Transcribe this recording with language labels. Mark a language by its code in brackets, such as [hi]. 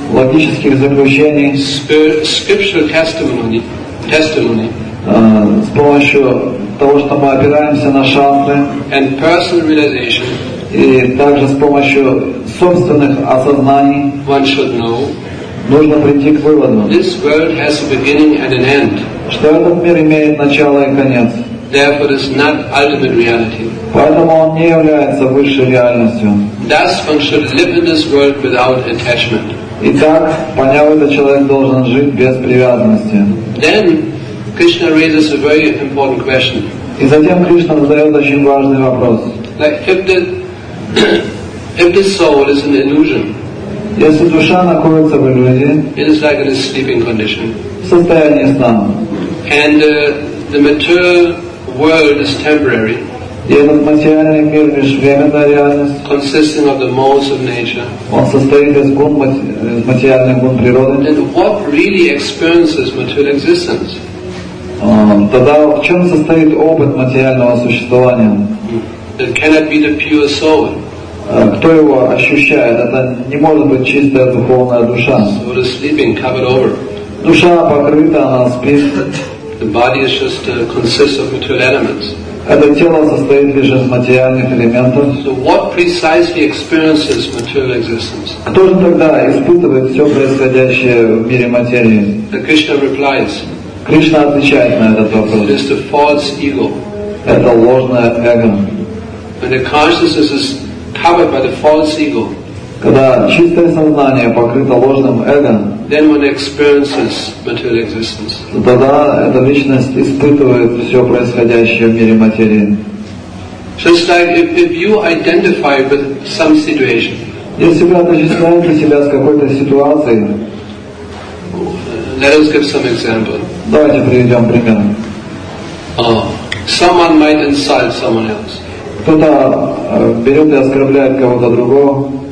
[ru] логических заключений, [en] scriptural testimony, [ru] с помощью того, что мы опираемся на шастры, [en] and personal realization, [ru] и также с помощью собственных осознаний, [en] one should know, [ru] нужно прийти к выводу, [en] this world has a beginning and an end. [ru] Что этот мир имеет начало и конец. [en] Therefore, it's not ultimate reality. [ru] Поэтому он не является высшей реальностью. [en] Thus, one should live in this world without attachment. [ru] Итак, поняв это, человек должен жить без привязанности. [en] Then, Krishna raises a very important question. [ru] И затем Кришна задает очень важный вопрос. [en] Like if the soul is an illusion. [ru] Если душа находится в иллюзии, [en] it is like in a sleeping condition. [ru] В состоянии сна. [en] And the material world is temporary. [ru] И этот материальный мир лишь временная реальность. [en] Consisting of the modes of nature. [ru] Он состоит из гун, из материальных гун природы. [en] And what really experiences material existence? [ru] Тогда в чем состоит опыт материального существования? [en] It cannot be the pure soul. [ru] Кто его ощущает? Это не может быть чистая духовная душа. [en] So it is sleeping, covered over. [ru] Душа покрыта, она спит. [en] The body is just consists of material elements. [ru] Это тело состоит лишь из материальных элементов. [en] So what precisely experiences material existence? [ru] Кто же тогда испытывает все происходящее в мире материи? [en] The Krishna replies. [ru] Кришна отвечает на этот вопрос. [en] It is the false ego. [ru] Это ложное эго. [en] When the consciousness is covered by the false ego. [ru] Когда чистое сознание покрыто ложным эго, [en] then one experiences material existence. [ru] Тогда эта личность испытывает все происходящее в мире материи. [en] Just like if you identify with some situation. [ru] Если вы отождествляете себя с какой-то ситуацией, [en] let us give some example. [ru] Давайте приведем пример. [en] Someone might insult someone else. [ru] Кто-то берет и оскорбляет кого-то другого.